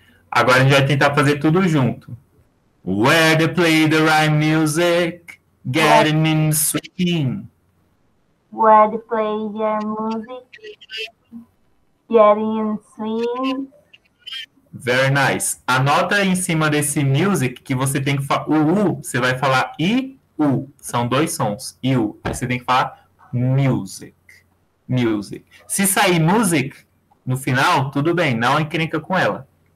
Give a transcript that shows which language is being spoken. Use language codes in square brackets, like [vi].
[pt] Agora a gente vai tentar fazer tudo junto. [en] Where to play the right music? Getting in swing. Where to play your music? Getting swing. Very nice. [pt] Anota em cima desse music que você tem que falar u, você vai falar i, u. São dois sons. I, u. Aí você tem que falar music. Music. Se sair music no final, tudo bem, não encrenca com ela.